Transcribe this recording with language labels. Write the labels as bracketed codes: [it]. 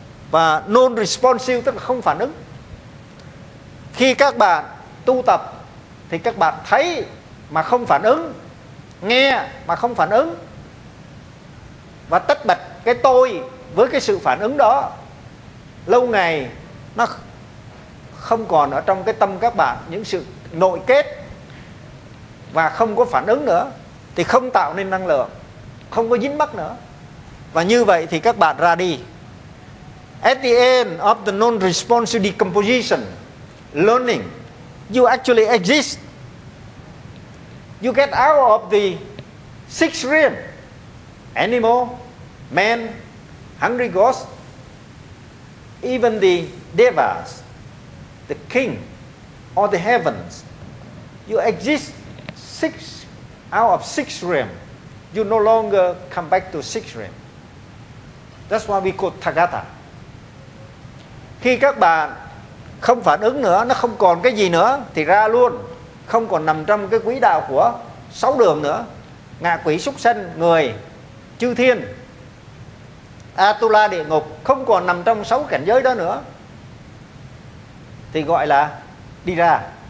[vi] Và non-responsive tức là không phản ứng. Khi các bạn tu tập thì các bạn thấy mà không phản ứng, nghe mà không phản ứng, và tách bạch cái tôi với cái sự phản ứng đó, lâu ngày nó không còn ở trong cái tâm các bạn những sự nội kết và không có phản ứng nữa, thì không tạo nên năng lượng, không có dính mắc nữa. Và như vậy thì các bạn ra đi. [en] At the end of the non-responsive decomposition, learning, you actually exist. You get out of the six realm: animal, man, hungry ghost, even the devas, the king, or the heavens. You exist six out of six realm. You no longer come back to six realm. That's why we call Thagata. [vi] Khi các bạn không phản ứng nữa, nó không còn cái gì nữa, thì ra luôn, không còn nằm trong cái quỹ đạo của sáu đường nữa: ngạ quỷ, súc sanh, người, chư thiên, Atula địa ngục, không còn nằm trong sáu cảnh giới đó nữa, thì gọi là đi ra.